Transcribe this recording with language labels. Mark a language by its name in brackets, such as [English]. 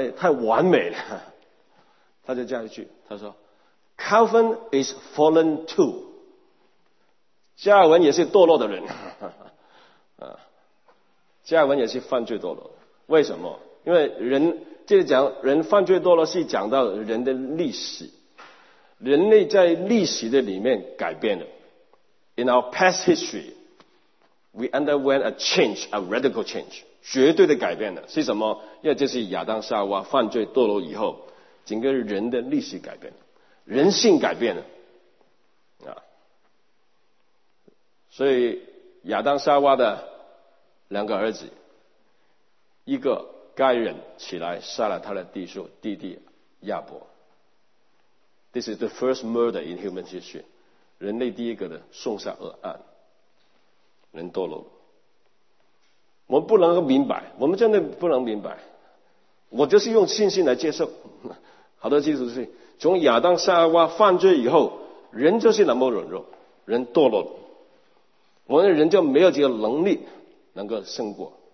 [Chinese] 完美了，他就加一句，他说 [English] Calvin is fallen too, [Chinese] 加尔文也是堕落的人，加尔文也是犯罪堕落。为什么？因为人这里讲人犯罪堕落是讲到人的历史，人类在历史的里面改变了 [English] in our past history We underwent a change, a radical change. [Chinese] 绝对的改变了。是什么？因为这是亚当夏娃犯罪堕落以后，整个人的历史改变了，人性改变了。所以亚当夏娃的两个儿子，一个该人起来杀了他的弟兄弟弟亚伯。 [English] This is the first murder in human history. [Chinese] 人类第一个的送杀恶案，人堕落。我们不能够明白，我们真的不能明白。我就是用信心来接受。好多基督徒是从亚当夏娃犯罪以后，人就是那么软弱，人堕落了，我们人就没有这个能力能够胜过。